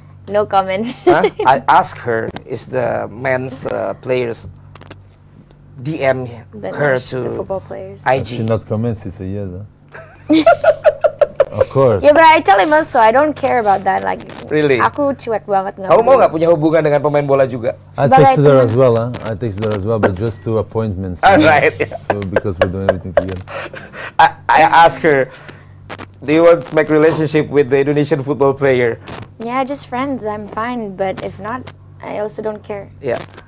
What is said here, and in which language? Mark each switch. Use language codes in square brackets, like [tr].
[en] No comment. Huh? I ask her, is the men's players DM the her to the football players. IG? She not comments, it's a yes. Of course. Yeah, but I tell him also, I don't care about that. Like, really? [id] Aku cuek banget. Kamu mau gak punya hubungan dengan pemain bola juga? [en] I texted her as well, huh? I texted her as well, but just two appointments. All right. So, because we're doing everything together. I ask her, do you want to make relationship with the Indonesian football player? Yeah, just friends, I'm fine, but if not, I also don't care. Yeah.